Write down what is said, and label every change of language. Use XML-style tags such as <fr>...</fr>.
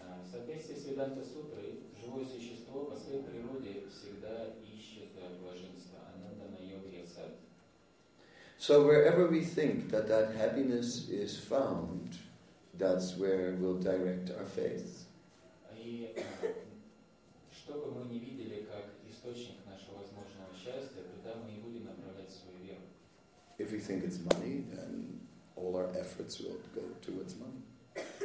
<ru>Соответственно, Веданта Сутры, живое существо по своей природе всегда ищет блаженство,</ru> <sa>анандамая вьясат.</sa> <en>So wherever we think that that happiness is found, that's where we'll direct our faith.</en> <ru>И что бы мы ни видели как источник нашего возможного счастья, туда мы и будем направлять свою веру.</ru> <en>If we think it's money, then all our efforts will go towards money.</en>